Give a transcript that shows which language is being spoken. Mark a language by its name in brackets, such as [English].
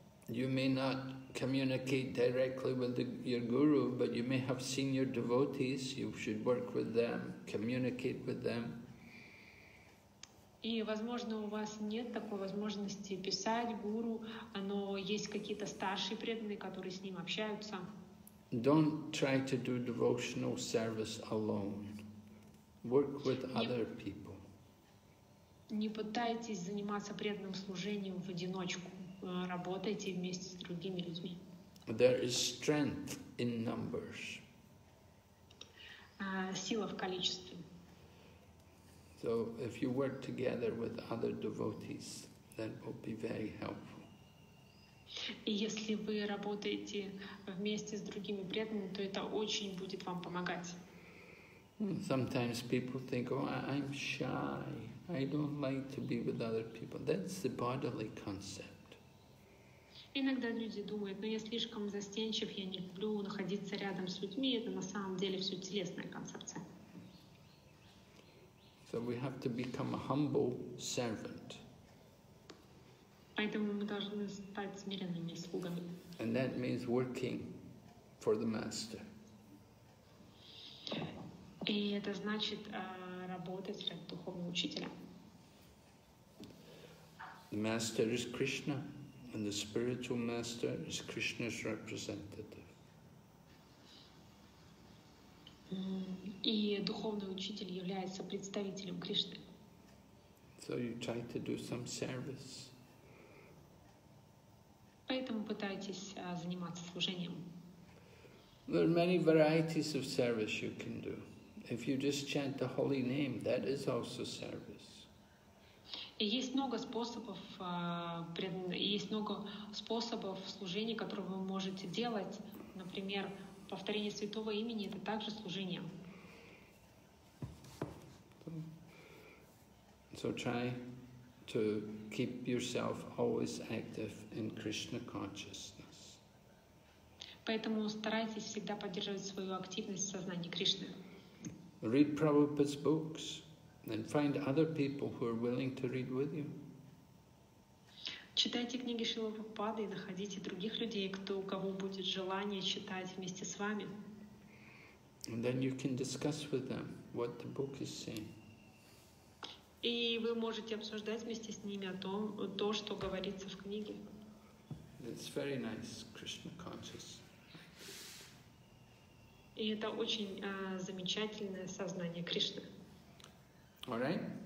[English] You may not communicate directly with your guru, but you may have seen your devotees. You should work with them, communicate with them. [Russian] И, возможно, у вас нет такой возможности писать гуру, но есть какие-то старшие преданные, которые с ним общаются. [English] Don't try to do devotional service alone. Work with other people. [Russian] Не пытайтесь заниматься преданным служением в одиночку. Работайте вместе с другими людьми. [English] There is strength in numbers. [Russian] Сила в количестве. [English] So if you work together with other devotees, that will be very helpful. [Russian] И если вы работаете вместе с другими преданными, то это очень будет вам помогать. [English] Sometimes people think, I'm shy. I don't like to be with other people. That's the bodily concept. [Russian] Иногда люди думают, я слишком застенчив, я не люблю находиться рядом с людьми. Это на самом деле все телесная концепция. [English] So we have to become a humble servant. [Russian] Поэтому мы должны стать смиренными слугами. [English] And that means working for the master. [Russian] И это значит работать ради духовного учителя. [English] The master is Krishna, and the spiritual master is Krishna's representative. [Russian] И духовный учитель является представителем Кришны. [English] So you try to do some service. [Russian] Поэтому пытайтесь заниматься служением. [English] There are many varieties of service you can do. If you just chant the holy name, that is also service. [Russian] И есть много способов, служения, которые вы можете делать. Например, повторение святого имени — это также служение. [English] So try to keep yourself always active in Krishna consciousness. [Russian] Поэтому старайтесь всегда поддерживать свою активность в сознании Кришны. [English] Read Prabhupada's books and find other people who are willing to read with you. [Russian] Читайте книги Шрилы Прабхупады и находите других людей, кто, у кого будет желание читать вместе с вами. [English] And then you can discuss with them what the book is saying. [Russian] И вы можете обсуждать вместе с ними о том, то, что говорится в книге. [English] It's very nice, Krishna conscious. [Russian] И это очень замечательное сознание Кришны. [English] All right.